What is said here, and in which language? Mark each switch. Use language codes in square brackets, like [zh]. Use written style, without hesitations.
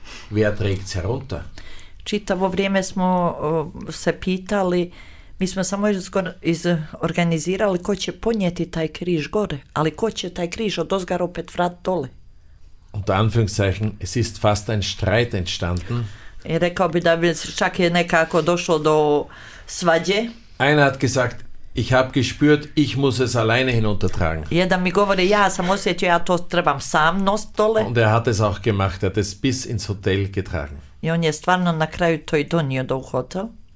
[de] Wer trägt's herunter? [hr] Čitavo vrijeme smo se pitali, mi smo samo izorganizirali ko će ponijeti taj križ gore, ali ko će taj križ od ozgar opet vrat dole? [de] Unter Anführungszeichen, es ist fast ein Streit entstanden. [hr] I rekao bi da bi čak je nekako došlo do svađe. [de] Einer hat gesagt, ich habe gespürt, ich muss es alleine hinuntertragen. [hr] Jedan mi govori, ja sam osjetio, ja to trebam sam nosit dole. [de] Und er hat es auch gemacht, er hat es bis ins Hotel getragen. [hr] I on je stvarno na kraju to i donio do hotel.